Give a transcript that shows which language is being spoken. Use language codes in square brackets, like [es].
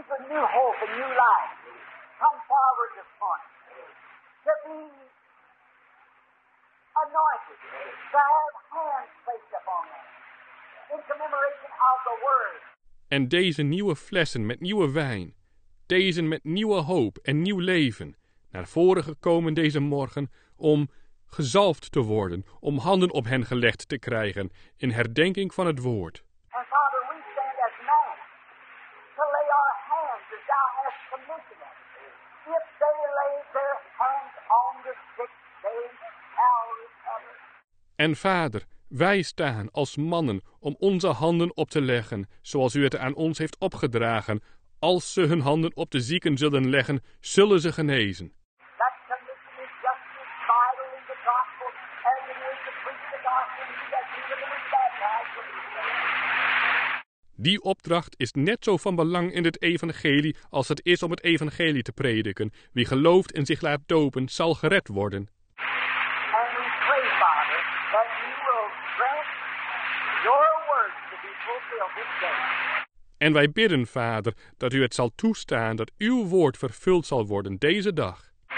[en] New hope and new life come forward this morning to be anointed, to have hands placed upon them in commemoration of the word. [nl] En deze nieuwe flessen met nieuwe wijn, deze met nieuwe hoop en nieuw leven, naar voren gekomen deze morgen om gezalfd te worden, om handen op hen gelegd te krijgen in herdenking van het woord. [en] And Father, we stand as men to lay our hands as thou hast commissioned us. If they lay their hands on the sick, they shall recover. [nl] En Vader, wij staan als mannen om onze handen op te leggen, zoals u het aan ons heeft opgedragen. Als ze hun handen op de zieken zullen leggen, zullen ze genezen. [en] That commission is just as vital in the gospel as it is to preach the gospel and that Jesus was baptized with his name. [nl] Die opdracht is net zo van belang in het evangelie als het is om het evangelie te prediken. Wie gelooft en zich laat dopen, zal gered worden. [en] And we pray, Father, that you will grant your word to be fulfilled this day. [nl] En wij bidden, Vader, dat u het zal toestaan dat uw woord vervuld zal worden deze dag.